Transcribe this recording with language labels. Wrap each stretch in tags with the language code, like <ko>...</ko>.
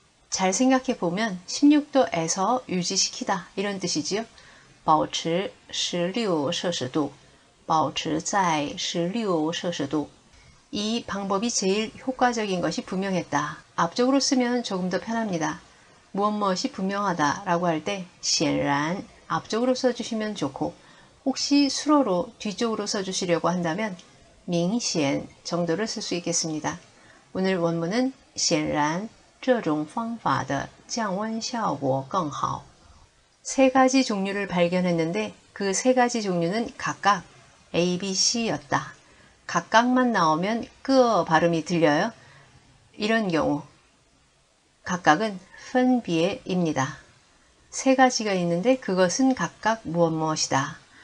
<ko>잘생각해보면16도에서유지시키다이런뜻이지요</ko> <zh>保持16摄氏度保持在16摄氏度</zh> <ko>이방법이제일효과적인것이분명했다앞쪽으로쓰면조금더편합니다무엇무엇이분명하다라고할때显然앞쪽으로써주시면좋고 혹시 수로로 뒤쪽으로 써주시려고 한다면 明显 정도를 쓸 수 있겠습니다. 오늘 원문은</ko> <zh>显然这种方法的降温效果更好.</zh> <ko>세 가지 종류를 발견했는데 그 세 가지 종류는 각각 A, B, C였다. 각각만 나오면 끄어 발음이 들려요. 이런 경우 각각은 分别입니다. 세 가지가 있는데 그것은 각각 무엇 무엇이다.</ko>